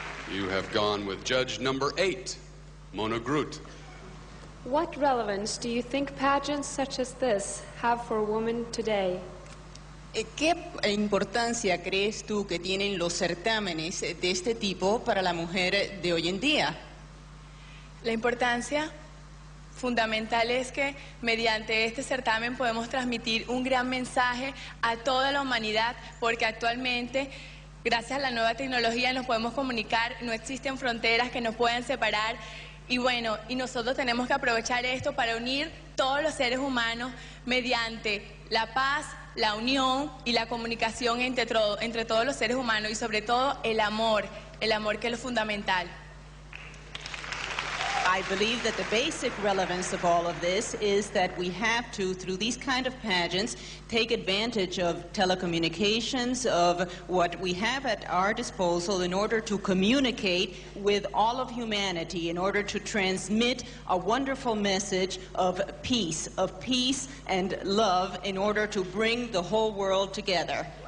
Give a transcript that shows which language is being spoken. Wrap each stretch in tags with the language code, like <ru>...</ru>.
<en>You have gone with judge number 8, Mona Groot. What relevance do you think pageants such as this have for women today?</en> <es>¿Qué importancia crees tú que tienen los certámenes de este tipo para la mujer de hoy en día? La importancia fundamental es que mediante este certamen podemos transmitir un gran mensaje a toda la humanidad, porque actualmente, gracias a la nueva tecnología, nos podemos comunicar, no existen fronteras que nos puedan separar, y bueno, y nosotros tenemos que aprovechar esto para unir todos los seres humanos mediante la paz, la unión y la comunicación entre todos los seres humanos y sobre todo el amor que es lo fundamental.</es> <en>I believe that the basic relevance of all of this is that we have to, through these kind of pageants, take advantage of telecommunications, of what we have at our disposal in order to communicate with all of humanity, in order to transmit a wonderful message of peace and love, in order to bring the whole world together.</en>